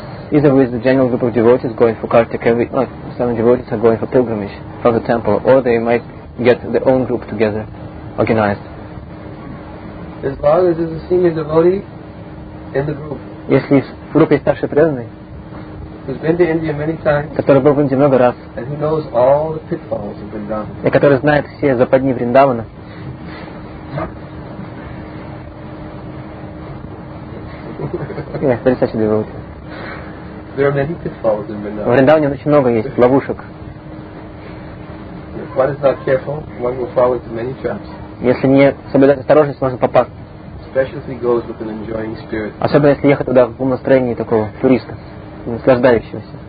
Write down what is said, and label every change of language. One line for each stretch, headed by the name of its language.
English: Either with the general group of devotees going for Kartik every... some devotees are going for pilgrimage from the temple, or they might get their own group together, organized. As long as there's a senior devotee in the group.
Russian: Если в группе есть старший преданный,
English: who's been to India many times,
Russian: который был в Индии много раз,
English: and who knows all the pitfalls of Vrindavan,
Russian: и который знает все западни Вриндавана,
English: there are many pitfalls in Vrindavan.
Russian: В Вриндаване очень много есть ловушек.
English: If one is not careful, one will fall into many traps.
Russian: Если не соблюдать осторожность, можно попасть.
English: Especially if he goes with an enjoying spirit.
Russian: Особенно если ехать туда в полном настроении такого туриста, наслаждающегося.